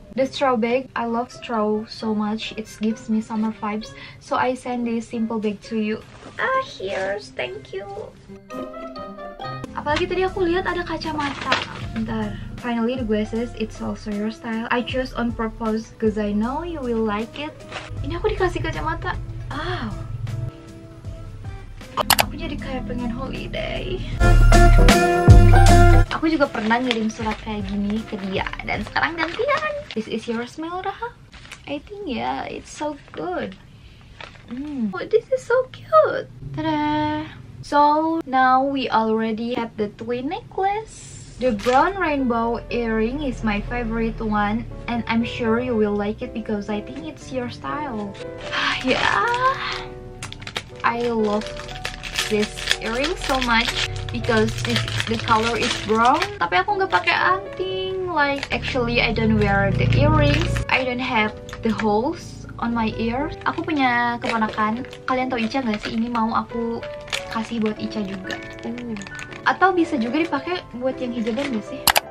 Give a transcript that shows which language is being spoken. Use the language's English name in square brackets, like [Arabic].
[English] The straw bag, I love straw so much. It gives me summer vibes. So I send this simple bag to you. Here's, thank you. [Indonesian] Apalagi tadi aku lihat ada kacamata. Bentar. [English] Finally the glasses, it's also your style. I choose on purpose because I know you will like it. [Indonesian] Ini aku dikasih kacamata. Wow. Aku jadi kayak pengen holiday. Aku juga pernah ngirim surat kayak gini ke dia. Dan sekarang gantian. [English] This is your smell, Raha. I think, yeah, it's so good. Oh, this is so cute. Ta-da. So, now we already have the twin necklace. The brown rainbow earring is my favorite one. And I'm sure you will like it because I think it's your style. Yeah. I love this earring so much. Because this, the color is brown. [Indonesian] Tapi aku gak pakai anting. [English] Like, actually I don't wear the earrings. I don't have the holes on my ears. [Indonesian] Aku punya keponakan. Kalian tau Ica gak sih? Ini mau aku kasih buat Ica juga. Atau bisa juga dipakai buat yang hijaban gak sih?